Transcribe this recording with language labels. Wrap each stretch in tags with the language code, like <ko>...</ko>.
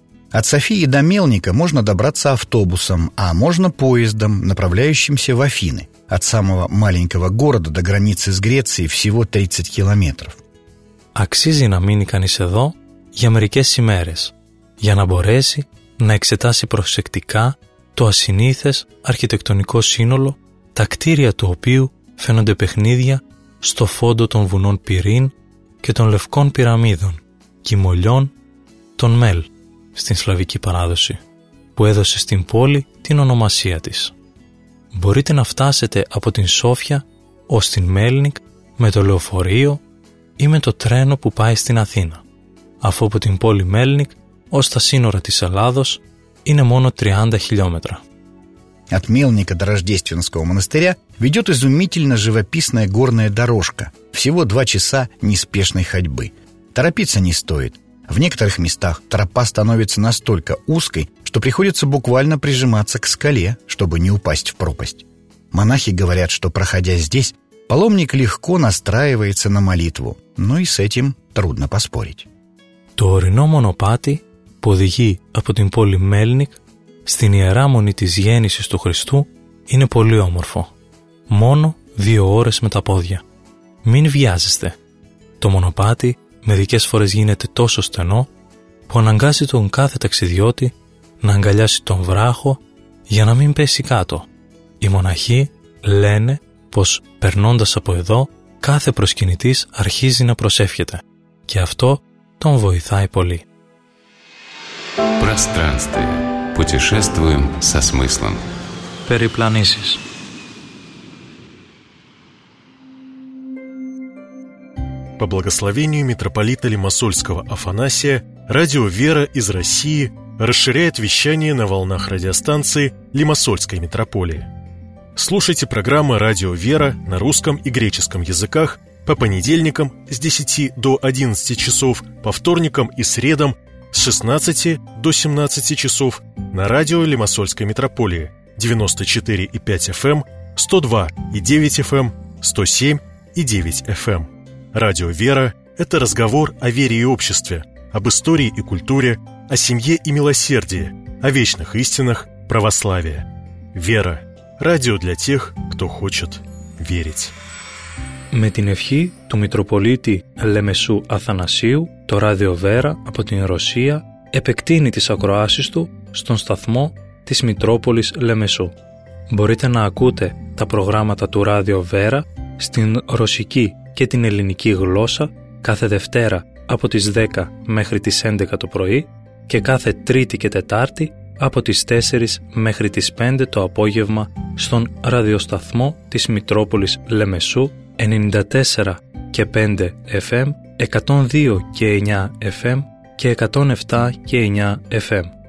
<ru>От Софии до Мельника можно добраться автобусом, а можно поездом, направляющимся в Афины. От самого маленького города до границы с Грецией всего 30 километров.</ru> <el>Αξίζει να μείνει κανείς εδώ για μερικές ημέρες. για να μπορέσει να εξετάσει προσεκτικά το ασυνήθες αρχιτεκτονικό σύνολο, τα κτίρια του οποίου φαίνονται παιχνίδια στο φόντο των βουνών Πυρήν και των λευκών πυραμίδων, κυμολιών, των Μέλ, στην σλαβική παράδοση, που έδωσε στην πόλη την ονομασία της. Μπορείτε να φτάσετε από την Σόφια ως την Μέλνικ με το λεωφορείο ή με το τρένο που πάει στην Αθήνα, αφού από την πόλη Μέλνικ ως τα σύνορα της Ελλάδος είναι μόνο 30 χιλιόμετρα.</el> <ru>От Мелника до Рождественского монастыря ведет изумительно живописная горная дорожка. Всего 2 часа неспешной ходьбы. Торопиться не стоит. В некоторых местах тропа становится настолько узкой, что приходится буквально прижиматься к скале, чтобы не упасть в пропасть. Монахи говорят, что, проходя здесь, паломник легко настраивается на молитву. Но и с этим трудно поспорить.</ru> <el>Торино монопати подъеги από την поле Мелник στην Ιερά Μονή της Γέννησης του Χριστού είναι πολύ όμορφο. Μόνο 2 ώρες με τα πόδια. Μην βιάζεστε. Το μονοπάτι μερικές φορές γίνεται τόσο στενό που αναγκάζει τον κάθε ταξιδιώτη να αγκαλιάσει τον βράχο για να μην πέσει κάτω. Οι μοναχοί λένε πως περνώντας από εδώ κάθε προσκυνητής αρχίζει να προσεύχεται και αυτό τον βοηθάει πολύ. Πρόστρανστε.</el> <ru>Путешествуем со смыслом. Перепланисис. По благословению митрополита Лимассольского Афанасия, радио «Вера» из России расширяет вещание на волнах радиостанции Лимассольской митрополии. Слушайте программы «Радио «Вера» на русском и греческом языках по понедельникам с 10 до 11 часов, по вторникам и средам с 16 до 17 часов на радио Лимассольской митрополии 94,5 FM, 102,9 FM, 107,9 FM. Радио «Вера» — это разговор о вере и обществе, об истории и культуре, о семье и милосердии, о вечных истинах православия. «Вера» — радио для тех, кто хочет верить.</ru> <el>Με την ευχή του Μητροπολίτη Λεμεσού Αθανασίου, το Ράδιο Βέρα από την Ρωσία επεκτείνει τις ακροάσεις του στον σταθμό της Μητρόπολης Λεμεσού. Μπορείτε να ακούτε τα προγράμματα του Ράδιο Βέρα στην ρωσική και την ελληνική γλώσσα κάθε Δευτέρα από τις 10 μέχρι τις 11 το πρωί και κάθε Τρίτη και Τετάρτη από τις 4 μέχρι τις 5 το απόγευμα στον ραδιοσταθμό της Μητρόπολης Λεμεσού 94 και 5 FM, 102 και 9 FM και 107 και 9 FM.</el>